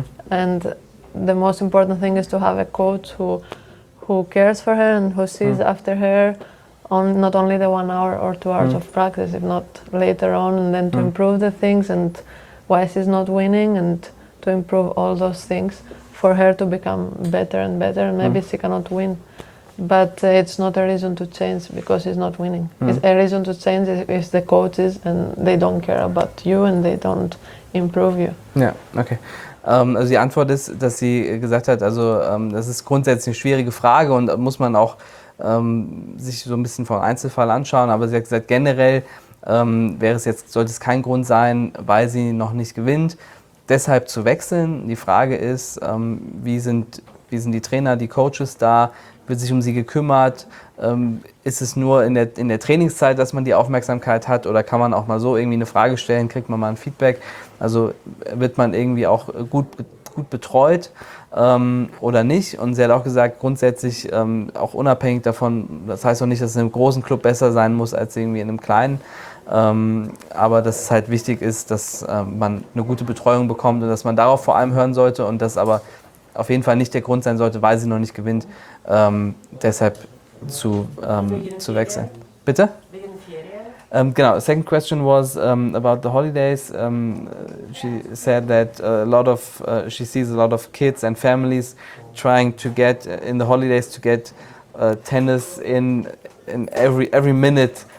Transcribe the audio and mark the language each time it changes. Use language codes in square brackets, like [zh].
[en] And the most important thing is to have a coach who cares for her and who sees after her, on not only the 1 hour or 2 hours of practice, if not later on, and then to improve the things and why she's not winning and to improve all those things. For her to become better and better, and maybe she cannot win, but it's not a reason to change because she's not winning. It's a reason to change is the coaches, and they don't care about you and they don't improve you. Yeah, okay. [de] Also die Antwort ist, dass sie gesagt hat, also das ist grundsätzlich eine schwierige Frage und muss man auch sich so ein bisschen vom Einzelfall anschauen. Aber sie hat gesagt, generell sollte es kein Grund sein, weil sie noch nicht gewinnt. Deshalb zu wechseln. Die Frage ist, wie sind die Trainer, die Coaches da? Wird sich um sie gekümmert? Ist es nur in der Trainingszeit, dass man die Aufmerksamkeit hat? Oder kann man auch mal so irgendwie eine Frage stellen? Kriegt man mal ein Feedback? Also wird man irgendwie auch gut betreut oder nicht? Und sie hat auch gesagt, grundsätzlich auch unabhängig davon, das heißt auch nicht, dass es in einem großen Club besser sein muss als irgendwie in einem kleinen. Aber dass es halt wichtig ist, dass man eine gute Betreuung bekommt und dass man darauf vor allem hören sollte und das aber auf jeden Fall nicht der Grund sein sollte, weil sie noch nicht gewinnt, deshalb zu wechseln. Bitte? [en] Genau, second question was about the holidays. She said that she sees a lot of kids and families trying to get in the holidays to get tennis in every minute.